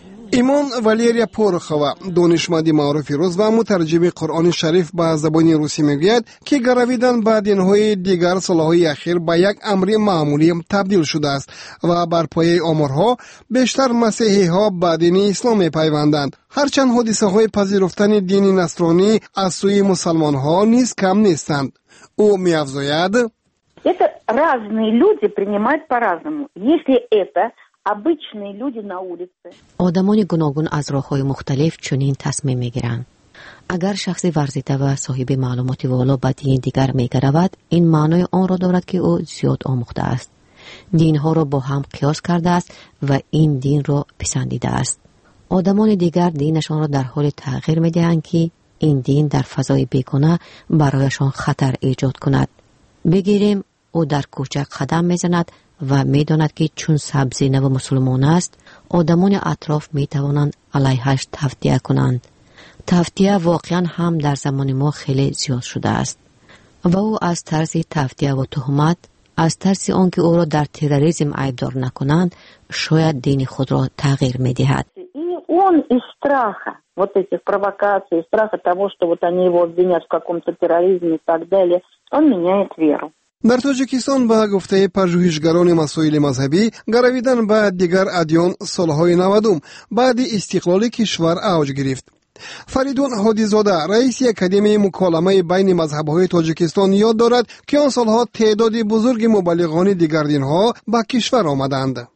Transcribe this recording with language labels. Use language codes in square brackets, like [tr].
[fa] ایمان والیریا پورخوا، دانشمند معروف روس و مترجم قرآن شریف به زبان روسی، میگوید که گرویدن به دینهای دیگر سالهای اخیر به یک امر معمولی تبدیل شده است و بر پایه آمارها بیشتر مسیحی ها به دین اسلام پیوندند، هرچند حادثه های پذیرفتن دین نصرانی از سوی مسلمان ها نیز کم نیستند. او می افزاید: [ru] Это разные люди принимают по-разному. Если это обычные люди на улице. [tg] Одамони гуногун аз роҳҳои мухталиф чунин тасмим мегиранд. Агар шахси варзида ва соҳиби маълумоти воло ба дини дигар мегаравад, ин маънои онро дорад ки ӯ зиёд омӯхтааст. Динҳоро бо ҳам қиёс кардааст ва ин динро писандидааст. Одамони дигар динашонро дар ҳоли тағйир медиҳанд ки ин дин дар фазои бекуна барояшон хатар эҷод кунад. Бигирем, ӯ дар кӯча қадам мезанад ва медонад ки чун сабзи нави мусулмон аст, одамони атроф метавонанд алайҳаш тавтия кунанд. Тавтия воқеан ҳам дар замони мо хеле зиёд шудааст. Ва ӯ аз тарси тавтия ва туҳмат, аз тарси он ки ӯро дар терроризм айбдор накунанд, шояд дини худро тағйир медиҳад. [ru] Он из страха, вот этих провокаций, страха того, что вот они его обвинят в каком-то терроризме и так далее, он меняет веру. [tg] Дар Тоҷикистон, ба гуфтаи пажӯҳишгарони масоили мазҳабӣ, гаравидан ба дигар адён солҳои 90-ум баъди истиқлоли кишвар авҷ гирифт. Фаридун Ҳодизода, раиси Академияи муколамаи байни мазҳабҳои Тоҷикистон, ёд дорад, ки он солҳо теъдоди бузурги мубаллиғони дигар динҳо ба кишвар омаданд.